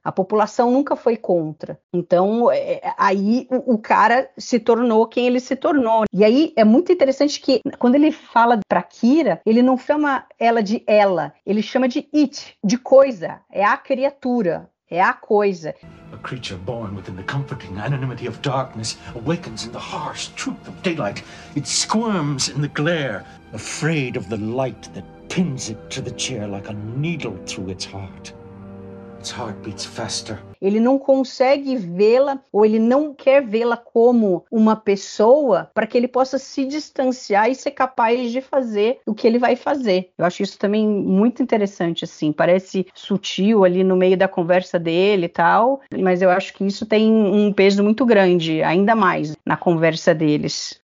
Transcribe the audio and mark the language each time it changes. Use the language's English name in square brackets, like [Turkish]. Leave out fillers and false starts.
[Portuguese] A população nunca foi contra. Então aí o cara se tornou quem ele se tornou. E aí é muito interessante que quando ele fala para Kira, ele não chama ela de ela, ele chama de it, de coisa, é a criatura, é a coisa. A criatura [English] born within the comforting anonymity of darkness awakens in the harsh truth of daylight. It squirms in the glare, afraid of the light that pins it to the chair like a needle through its heart. Its heart beats faster. [Portuguese] Ele não consegue vê-la, ou ele não quer vê-la como uma pessoa, para que ele possa se distanciar e ser capaz de fazer o que ele vai fazer. Eu acho isso também muito interessante, assim. Parece sutil ali no meio da conversa dele e tal, mas eu acho que isso tem um peso muito grande, ainda mais na conversa deles.